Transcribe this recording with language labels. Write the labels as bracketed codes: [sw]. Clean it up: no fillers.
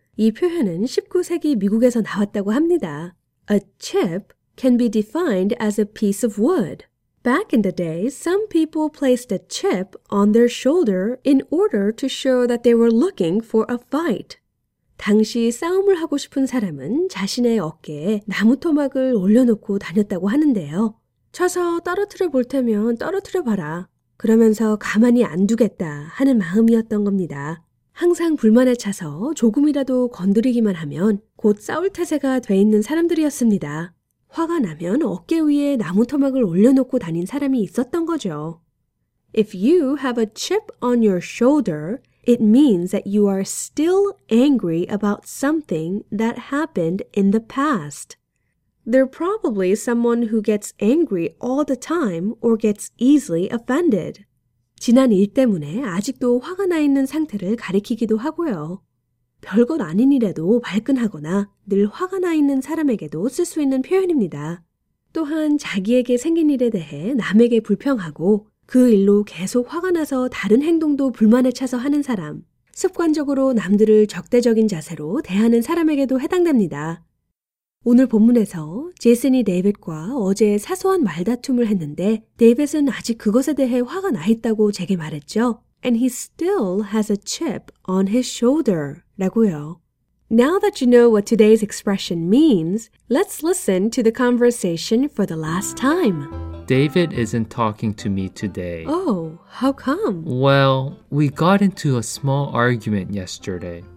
[ko] 이 표현은 19세기 미국에서 나왔다고 합니다. [en] A chip can be defined as a piece of wood. Back in the day, some people placed a chip on their shoulder in order to show that they were looking for a fight. [ko] 당시 싸움을 하고 싶은 사람은 자신의 어깨에 나무토막을 올려놓고 다녔다고 하는데요. 쳐서 떨어뜨려 볼 테면 떨어뜨려 봐라. 그러면서 가만히 안 두겠다 하는 마음이었던 겁니다. 항상 불만에 차서 조금이라도 건드리기만 하면 곧 싸울 태세가 돼 있는 사람들이었습니다. 화가 나면 어깨 위에 나무토막을 올려놓고 다닌 사람이 있었던 거죠. [en] If you have a chip on your shoulder, it means that you are still angry about something that happened in the past. They're probably someone who gets angry all the time or gets easily offended. [ko] 지난 일 때문에 아직도 화가 나 있는 상태를 가리키기도 하고요. 별것 아닌 일에도 발끈하거나 늘 화가 나 있는 사람에게도 쓸 수 있는 표현입니다. 또한 자기에게 생긴 일에 대해 남에게 불평하고 그 일로 계속 화가 나서 다른 행동도 불만에 차서 하는 사람, 습관적으로 남들을 적대적인 자세로 대하는 사람에게도 해당됩니다. 오늘 본문에서 제이슨이 데이빗과 어제 사소한 말다툼을 했는데 데이빗은 아직 그것에 대해 화가 나 있다고 제게 말했죠. [en] And he still has a chip on his shoulder. [ko] 라고요. [en] Now that you know what today's expression means, let's listen to the conversation for the last time. David isn't talking to me today. Oh, how come? Well, we got into a small argument yesterday.